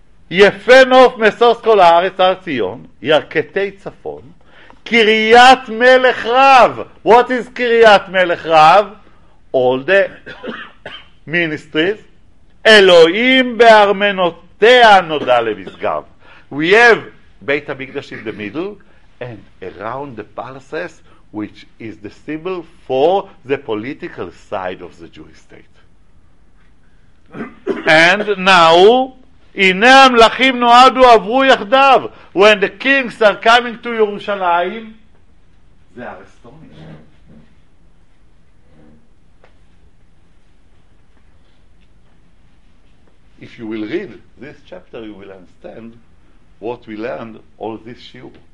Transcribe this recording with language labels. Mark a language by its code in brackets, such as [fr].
[he] יפה נוף מסוס כל הארץ הר ציון, ירקתי צפון, קריית מלך רב. [en] What is [he] קריית מלך רב? [en] All the ministries. [he] אלוהים בארמנותיה נודע למסגב. [en] We have בית המקדש in the middle and around the palaces, which is the symbol for the political side of the Jewish state. And now, [he] הנה המלכים נועדו עברו יחדיו. [en] When the kings are coming to Yerushalayim, they are astonished. If you will read this chapter, you will understand what we learned all this year.